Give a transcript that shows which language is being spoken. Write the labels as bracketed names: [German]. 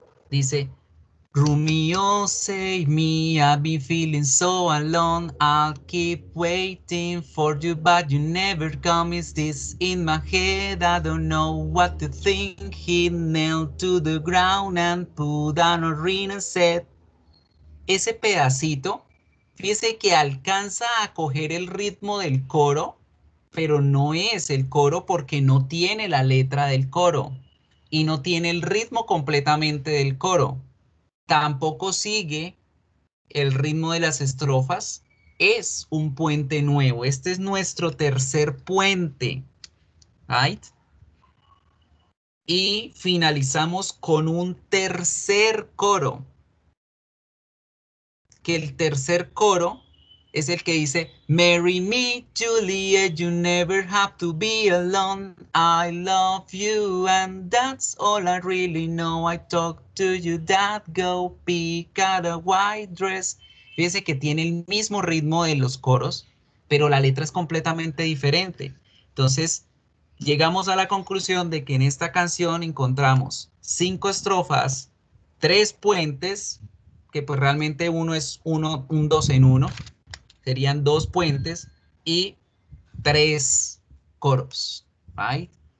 [English] Dice, Romeo, save me, I've been feeling so alone, I'll keep waiting for you, but you never come. Is this in my head? I don't know what to think. He knelt to the ground and put on a ring and said. [Spanish] Ese pedacito, fíjese que alcanza a coger el ritmo del coro, pero no es el coro porque no tiene la letra del coro y no tiene el ritmo completamente del coro. Tampoco sigue el ritmo de las estrofas. Es un puente nuevo. Este es nuestro tercer puente. Right? Y finalizamos con un tercer coro. Que el tercer coro es el que dice, [English] marry me, Juliet, you never have to be alone. I love you and that's all I really know. I talk to you, dad, go pick out a white dress. [Spanish] Fíjense que tiene el mismo ritmo de los coros, pero la letra es completamente diferente. Entonces, llegamos a la conclusión de que en esta canción encontramos 5 estrofas, 3 puentes, que pues realmente uno es un 2 en 1, serían 2 puentes y 3 coros, right?